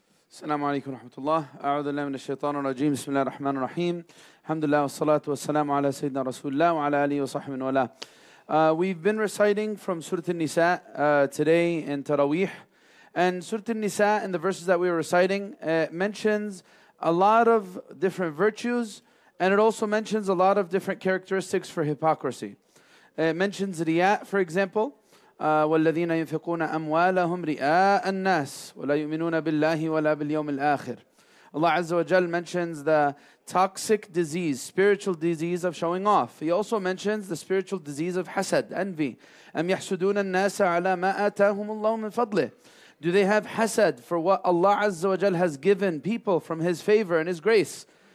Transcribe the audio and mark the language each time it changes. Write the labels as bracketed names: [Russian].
[Arabic] السلام عليكم ورحمة الله أعوذ بالله من الشيطان الرجيم بسم الله الرحمن الرحيم الحمد لله والصلاة والسلام على سيدنا رسول الله وعلى آله وصحبه والاه [English] We've been reciting from Surah An-Nisa today in Tarawih and Surah An-Nisa in the verses that we were reciting mentions a lot of different virtues and it also mentions a lot of different characteristics for hypocrisy. It mentions riya, for example, [Arabic] والذين ينفقون أموالهم رئاء الناس ولا يؤمنون بالله ولا باليوم الآخر. [English] Allah Azza wa Jal mentions the toxic disease, spiritual disease of showing off. He also mentions the spiritual disease of hasad, envy. [Arabic] أَمْ يَحْسُدُونَ النَّاسَ عَلَى مَا آتَاهُمُ اللَّهُ مِنْ فَضْلِهِ. [English] Do they have hasad for what Allah Azza wa Jal has given people from His favor and His grace?